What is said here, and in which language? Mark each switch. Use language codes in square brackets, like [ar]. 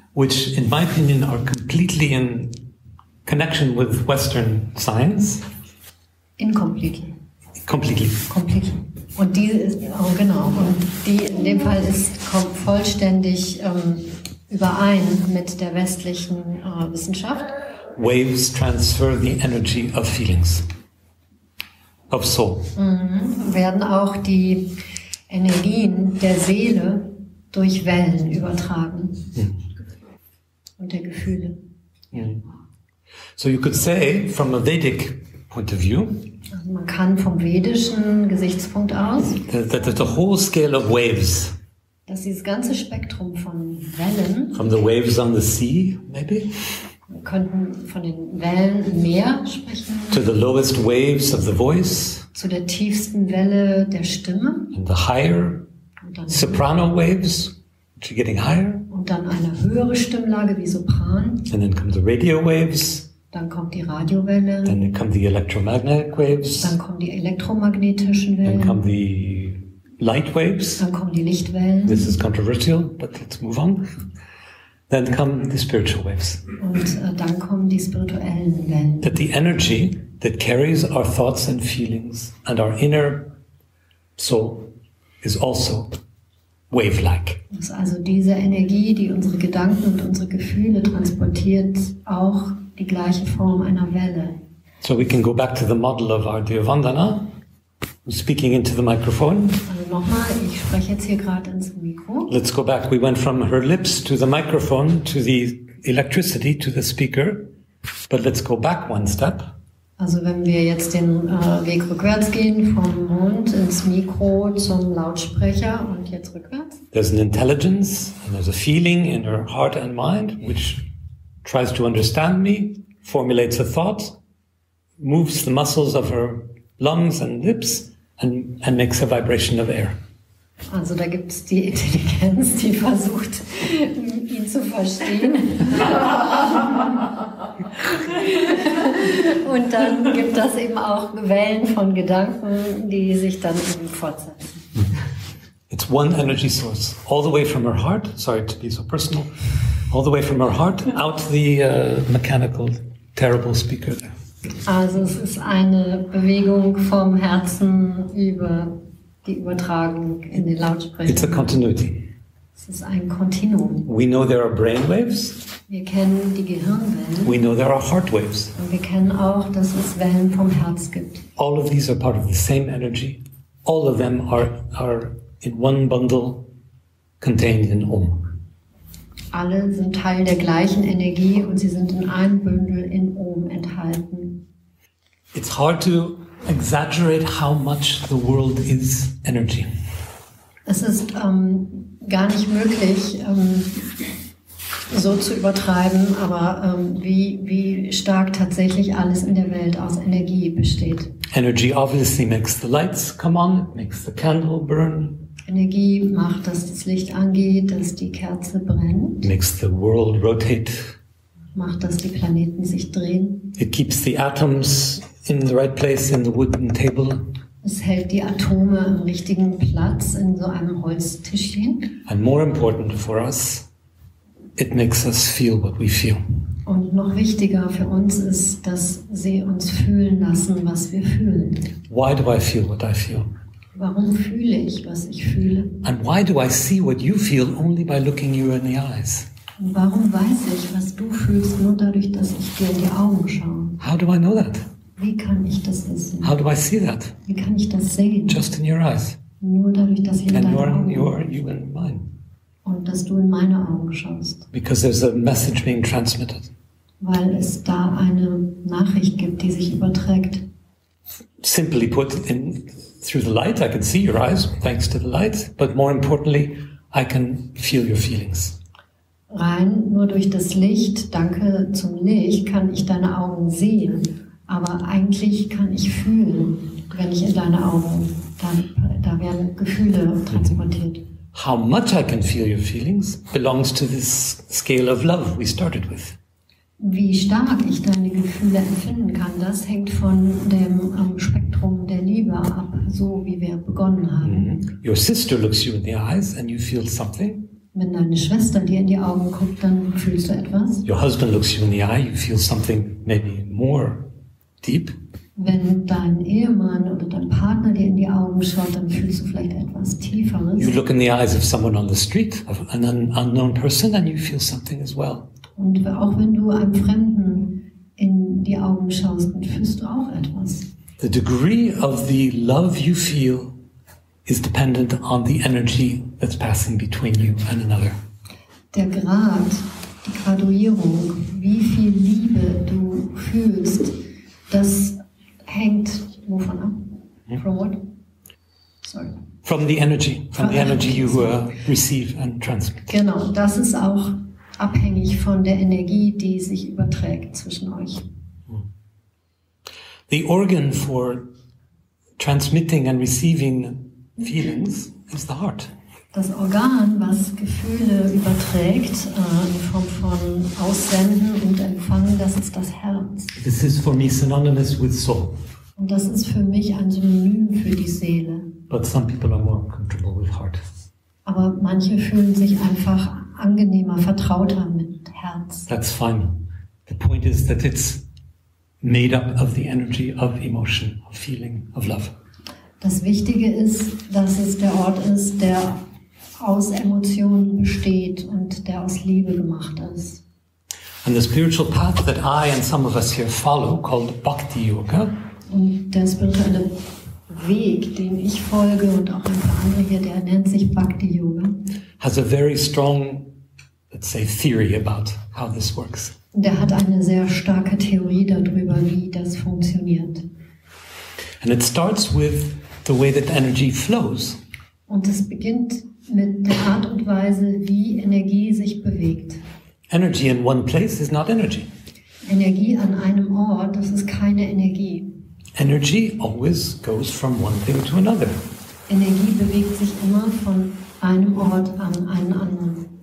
[en] Which, in my opinion, are completely in connection with Western science. Incompletely. Completely. Completely. [de] Und die ist, oh genau, und die in dem Fall ist, kommt vollständig überein mit der westlichen Wissenschaft. [en] Waves transfer the energy of feelings. absorb. [de] Werden auch die Energien der Seele durch Wellen übertragen. Und der Gefühle. [en] So you could say, from a Vedic point of view, [de] also man kann vom vedischen Gesichtspunkt aus, [en] the whole scale of waves, [de] dass dieses ganze Spektrum von Wellen, [en] from the waves on the sea, maybe, [de] wir könnten von den Wellen im Meer sprechen, [en] to the lowest waves of the voice, [de] zu der tiefsten Welle der Stimme, [en] and the higher, [de] und dann [en] soprano waves, which are getting higher, [de] und dann eine höhere Stimmlage wie Sopran, [en] and then come the radio waves, [de] dann kommt die Radiowelle, [en] then come the electromagnetic waves, [de] dann kommen die elektromagnetischen Wellen, [en] then come the light waves, [de] dann kommen die Lichtwellen, [en] this is controversial, but let's move on, then come the spiritual waves, [de] und dann kommen die spirituellen Wellen, [en] that the energy that carries our thoughts and feelings and our inner soul is also wave-like. [de] Dass also diese Energie, die unsere Gedanken und unsere Gefühle transportiert, auch die gleiche Form einer Welle. [en] So we can go back to the model of our dear Vandana, speaking into the microphone. [de] Also nochmal, ich spreche jetzt hier gerade ins Mikro. [en] Let's go back. We went from her lips to the microphone, to the electricity, to the speaker. But let's go back one step. [de] Also wenn wir jetzt den Weg rückwärts gehen, vom Mund ins Mikro zum Lautsprecher und jetzt rückwärts. [en] There's an intelligence and there's a feeling in her heart and mind which tries to understand me, formulates a thought, moves the muscles of her lungs and lips and makes a vibration of air. [de] Also da gibt's die Intelligenz, die versucht, ihn zu verstehen. Und dann gibt das eben auch Wellen von Gedanken, die sich dann eben fortsetzen. [en] It's one energy source, all the way from her heart, sorry to be so personal, all the way from her heart, out the mechanical, terrible speaker there. [de] Also es ist eine Bewegung vom Herzen über die Übertragung in den Lautsprecher. [en] It's a continuity. [de] Es ist ein Kontinuum. [en] We know there are brain waves. [de] Wir kennen die Gehirnwellen. [en] We know there are heart waves. [de] Und wir kennen auch, dass es Wellen vom Herz gibt. [en] All of these are part of the same energy. All of them are in one bundle contained in Om. [de] Alle sind Teil der gleichen Energie und sie sind in einem Bündel in Om enthalten. [en] It's hard to exaggerate how much the world is energy. [de] Es ist gar nicht möglich, so zu übertreiben, aber wie stark tatsächlich alles in der Welt aus Energie besteht. [en] Energy obviously makes the lights come on, makes the candle burn. [de] Energie macht, dass das Licht angeht, dass die Kerze brennt. [en] Makes the world rotate. [de] Macht, dass die Planeten sich drehen. [en] It keeps the atoms in the right place in the wooden table. [de] Es hält die Atome im richtigen Platz in so einem Holztischchen. [en] And more important for us, it makes us feel what we feel. [de] Und noch wichtiger für uns ist, dass sie uns fühlen lassen, was wir fühlen. [en] Why do I feel what I feel? [de] Warum fühle ich, was ich fühle? [en] And why do I see what you feel only by looking you in the eyes? [de] Und warum weiß ich, was du fühlst, nur dadurch, dass ich dir in die Augen schaue? [en] How do I know that? [de] Wie kann ich das wissen? [en] How do I see that? [de] Wie kann ich das sehen? [en] Just in your eyes. [de] Nur dadurch, dass ich in deine Augen schaue. [en] And you in mine. [de] Und dass du in meine Augen schaust. [en] Because there's a message being transmitted. [de] Weil es da eine Nachricht gibt, die sich überträgt. [en] Simply put, through the light, I can see your eyes, thanks to the light. But more importantly, I can feel your feelings. [de] Rein nur durch das Licht, danke zum Licht, kann ich deine Augen sehen. Aber eigentlich kann ich fühlen, wenn ich in deine Augen, da werden Gefühle transportiert. [en] How much I can feel your feelings belongs to this scale of love we started with. [de] Wie stark ich deine Gefühle empfinden kann, das hängt von dem Spektrum der Liebe ab, so wie wir begonnen haben. [en] Your sister looks you in the eyes and you feel something. [de] Wenn deine Schwester dir in die Augen guckt, dann fühlst du etwas. [en] Your husband looks you in the eye, you feel something maybe more deep. [de] Wenn dein Ehemann oder dein Partner dir in die Augen schaut, dann fühlst du vielleicht etwas Tieferes. [en] You look in the eyes of someone on the street, of an unknown person, and you feel something as well. [de] Und auch wenn du einem Fremden in die Augen schaust, dann fühlst du auch etwas. [en] the degree of the love you feel is dependent on the energy that's passing between you and another. [de] Der Grad, die Graduierung, wie viel Liebe du fühlst, das hängt wovon ab? [en] From what? Sorry. From the energy you receive and transmit. [de] Genau, das ist auch abhängig von der Energie, die sich überträgt zwischen euch. [en] The organ for transmitting and receiving feelings is the heart. [de] Das Organ, was Gefühle überträgt, in Form von Aussenden und Empfangen, das ist das Herz. [en] This is for me synonymous with soul. [de] Und das ist für mich ein Synonym für die Seele. [en] But some people are more comfortable with heart. [de] Aber manche fühlen sich einfach angenehmer, vertrauter mit Herz. [en] That's fine. The point is that it's made up of the energy of emotion, of feeling, of love. [de] Das Wichtige ist, dass es der Ort ist, der aus Emotionen besteht und der aus Liebe gemacht ist. [en] And the spiritual path that I and some of us here follow, called Bhakti Yoga. [de] Und der spirituelle Weg, den ich folge und auch ein paar andere hier, der nennt sich Bhakti Yoga. [en] Has a very strong, let's say, theory about how this works. [de] Der hat eine sehr starke Theorie darüber, wie das funktioniert. [en] And it starts with the way that energy flows. [de] Und es beginnt mit der Art und Weise, wie Energie sich bewegt. [en] Energy in one place is not energy. [de] Energie an einem Ort, das ist keine Energie. [en] Energy always goes from one thing to another. [de] Energie bewegt sich immer von einem Ort an einen anderen.